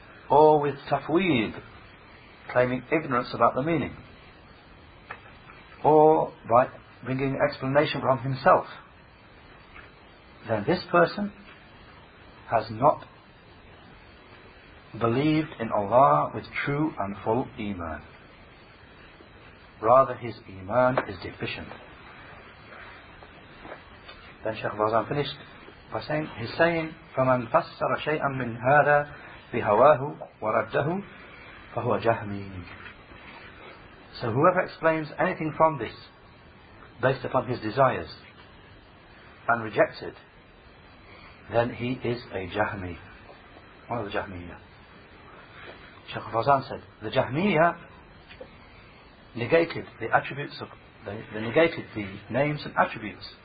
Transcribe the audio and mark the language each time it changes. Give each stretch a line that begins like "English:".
English: or with tafweed, claiming ignorance about the meaning, or by bringing explanation from himself, then this person has not believed in Allah with true and full iman. Rather, his iman is deficient. Then Shaykh Fawzan finished by saying, he's saying,
Arabic: فَمَنْ فَسَّرَ شَيْئًا مِّنْ هَذَا بِهَوَاهُ وَرَدَّهُ فَهُوَ جَهْمِيٌ.
English: So whoever explains anything from this, based upon his desires, and rejects it, then he is a Jahmi, one of the Jahmiyyah. Shaykh Fawzan said, the Jahmiyyah negated the attributes of, they negated the names and attributes.